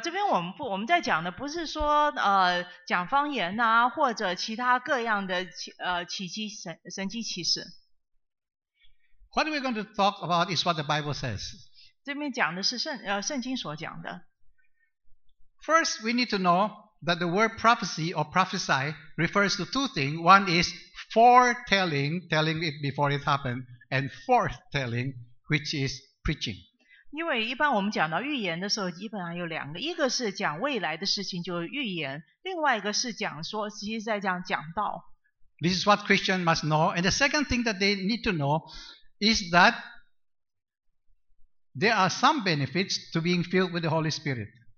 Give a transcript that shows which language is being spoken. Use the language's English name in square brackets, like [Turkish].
[Chinese] 这边我们在讲的不是说讲方言啊，或者其他各样的奇迹神迹奇事。 [English] What we're going to talk about is what the Bible says. [Chinese] 这边讲的是圣经所讲的。 [English] First, we need to know. That the word prophecy or prophesy refers to two things. One is foretelling, telling it before it happened, and foretelling, which is preaching. [Chinese] 因为一般我们讲到预言的时候，基本上有两个，一个是讲未来的事情，就是预言；另外一个是讲说，实际在讲道。 [English] This is what Christians must know. And the second thing that they need to know is that there are some benefits to being filled with the Holy Spirit.